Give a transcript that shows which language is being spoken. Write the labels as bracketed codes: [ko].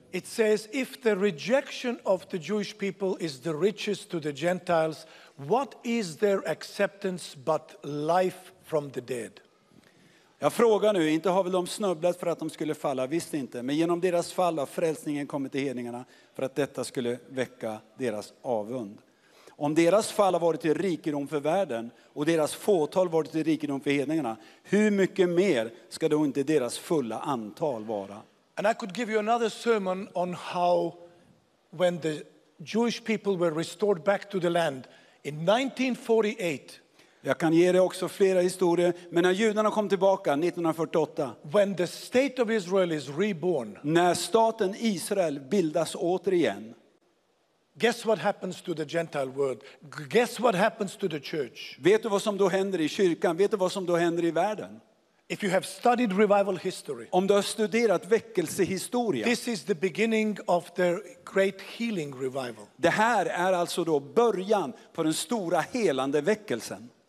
[en] It says, if the rejection of the Jewish people is the riches to the Gentiles, what is their acceptance but life from the dead? [sv] Jag frågar nu, inte har väl de snubblat för att de skulle falla? Visst inte, men genom deras fall har frälsningen kommit till hedningarna för att detta skulle väcka deras avund. Om deras fall har varit till rikedom för världen och deras fåtal varit till rikedom för hedningarna, hur mycket mer ska då inte deras fulla antal vara? [en] And I could give you another sermon on how when the Jewish people were restored back to the land in 1948. [sv] Jag kan ge dig också flera historier, men när judarna kom tillbaka 1948. [en] When the state of Israel is reborn. [sv] När staten Israel bildas återigen. [en] Guess what happens to the Gentile world? Guess what happens to the church? [sv] Vet du vad som då händer i kyrkan? Vet du vad som då händer i världen? [en] If you have studied revival history. [sv] Om du har studerat väckelsehistoria. [en] This is the beginning of the great healing revival. [sv] Det här är alltså då början på den stora helande väckelsen.